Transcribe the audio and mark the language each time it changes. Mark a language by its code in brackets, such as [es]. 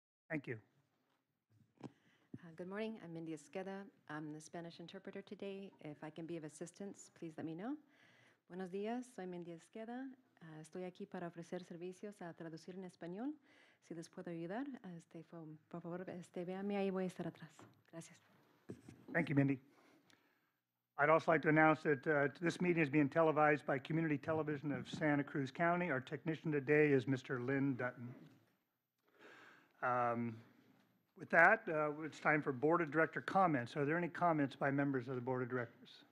[en] Thank you. Good morning, I'm Mindy Esqueda. I'm the Spanish interpreter today. If I can be of assistance, please let me know. [es] Buenos días, soy Mindy Esqueda. Estoy aquí para ofrecer servicios a traducir en español. Si les puedo ayudar, por favor, véanme ahí, voy a estar atrás. Gracias. [en] Thank you, Mindy. I'd also like to announce that this meeting is being televised by Community Television of Santa Cruz County. Our technician today is Mr. Lynn Dutton. With that, it's time for Board of Director comments. Are there any comments by members of the Board of Directors?